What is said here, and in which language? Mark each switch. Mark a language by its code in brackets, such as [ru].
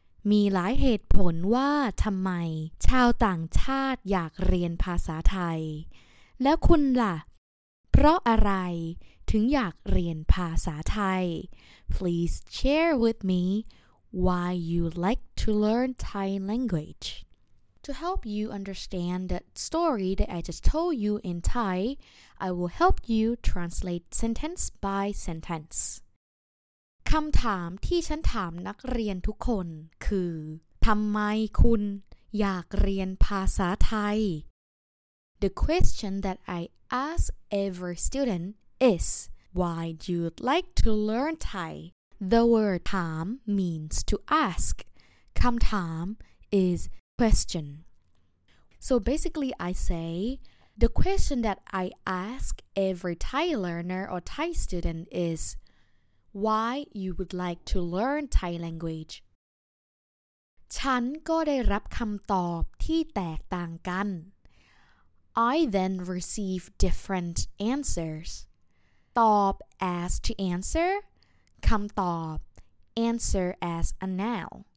[th] มีหลายเหตุผลว่าทำไมชาวต่างชาติอยากเรียนภาษาไทย [en] แล้วคุณล่ะเพราะอะไรถึงอยากเรียนภาษาไทย Please share with me why you like to learn Thai language To help you understand the story that I just told you in Thai,I will help you translate sentence by sentence. [th] คำถามที่ฉันถามนักเรียนทุกคนคือทำไมคุณอยากเรียนภาษาไทย? [en] The question that I ask every student is why you'd like to learn Thai? The word ถาม means to ask. คำถาม is question. So basically I sayThe question that I ask every Thai learner or Thai student is why you would like to learn Thai language. [th] ฉันก็ได้รับคำตอบที่แตกต่างกัน. [en] I then receive different answers. ตอบ as to answer. คำตอบ. Answer as a noun.